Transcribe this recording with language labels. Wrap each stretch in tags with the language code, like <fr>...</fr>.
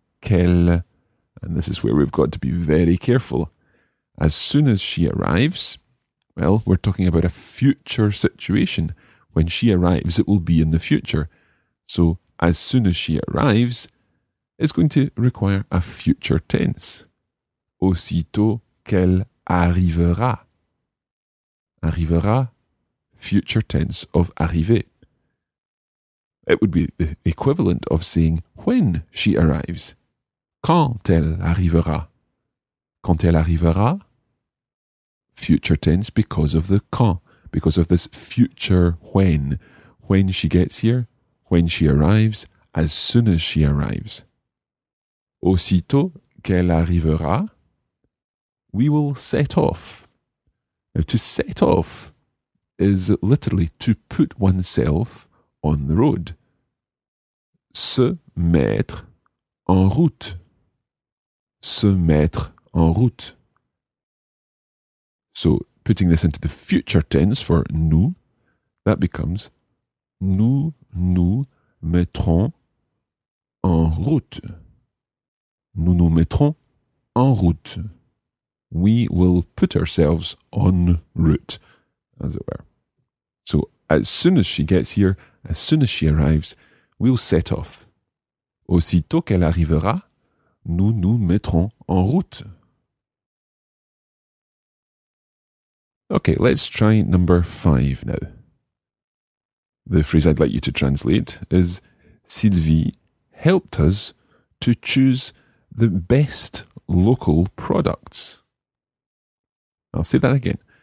<en>Qu'elle, and this is where we've got to be very careful. As soon as she arrives, Well, we're talking about a future situation. When she arrives, it will be in the future. So as soon as she arrives, it's going to require a future tense.</en> <fr>Aussitôt qu'elle arrivera.</fr> <en>Arrivera, future tense of arriver. It would be the equivalent of saying when she arrives.</en> <fr>Quand elle arrivera. Quand elle arrivera,</fr> <en>future tense because of the quand, because of this future when. When she gets here, when she arrives, as soon as she arrives.</en> <fr>Aussitôt qu'elle arrivera,</fr> <en>we will set off. Now, to set off is literally to put oneself on the road.</en> <fr>Se mettre en route. Se mettre en route.</fr> <en>So, putting this into the future tense for nous, that becomes</en> <fr>nous nous mettrons en route. Nous nous mettrons en route.</fr> <en>We will put ourselves en route, as it were. So, as soon as she gets here, as soon as she arrives, we'll set off.</en> <fr>Aussitôt qu'elle arrivera, nous nous mettrons en route.</fr> <en>Okay, let's try number five now. The phrase I'd like you to translate is Sylvie helped us to choose the best local products. I'll say that again.</en>